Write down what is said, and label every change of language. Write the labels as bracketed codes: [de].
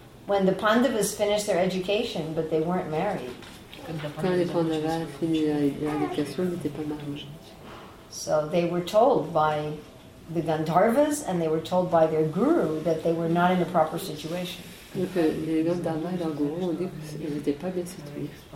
[en] When the Pandavas finished their education, but they weren't married. [fr] Quand les Pandavas ont fini leur éducation, ils n'étaient pas mariés. [en] So they were told by the Gandharvas and they were told by their guru that they were not in a proper situation. [fr] Donc les Gandharvas et leur guru ont dit qu'ils n'étaient pas bien situés.